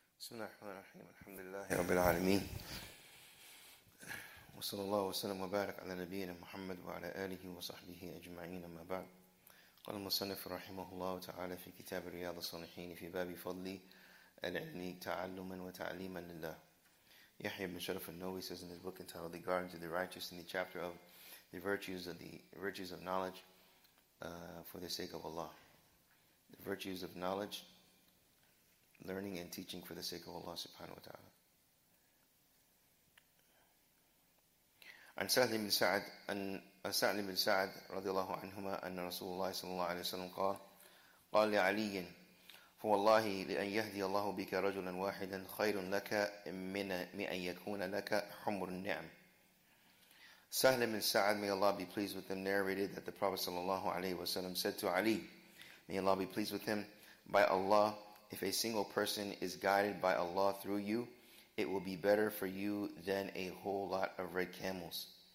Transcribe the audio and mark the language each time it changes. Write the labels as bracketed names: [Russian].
[Arabic] بسم الله الرحمن الرحيم، الحمد لله رب العالمين، وصلى الله وسلم وبارك على نبينا محمد وعلى آله وصحبه أجمعين. أما بعد، قال المصنف رحمه الله تعالى في كتاب رياض الصالحين في باب فضل العلم تعلما وتعليما لله. [English] يحيى بن شرف النووي says in his book entitled The Guardians of the Righteous in the chapter of the virtues of knowledge for the sake of Allah. The virtues of knowledge, learning and teaching for the sake of Allah subhanahu wa ta'ala. [Arabic] عن سهل بن سعد أن سهل بن سعد رضي الله عنهما أن رسول الله صلى الله عليه وسلم قال قال لعلي فوالله لأن يهدي الله بك رجلا واحدا خير لك من أن يكون لك حمر النعم. [English] سهل بن سعد, may Allah be pleased with him, narrated that the Prophet صلى الله عليه وسلم said to Ali, may Allah be pleased with him, by Allah, if a single person is guided by Allah through you, it will be better for you than a whole lot of red camels.